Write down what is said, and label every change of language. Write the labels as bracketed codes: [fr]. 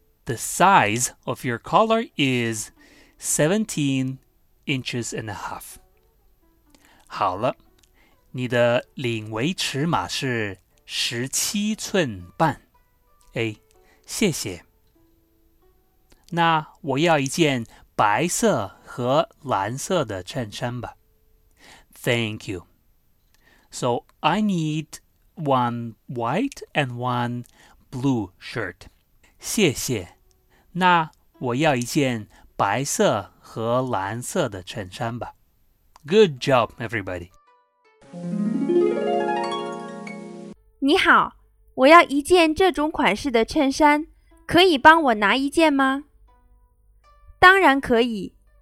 [en] The size of your collar is 17 inches and a half. [zh] 好了，你的领围尺码是17寸半。 A, 谢谢。那我要一件白色和蓝色的衬衫吧。 [en] Thank you. So, I need one white and one blue shirt. [zh] 谢谢。那我要一件白色和蓝色的衬衫吧。 [en] Good job, everybody. [zh] 你好，我要一件这种款式的衬衫，可以帮我拿一件吗？当然可以。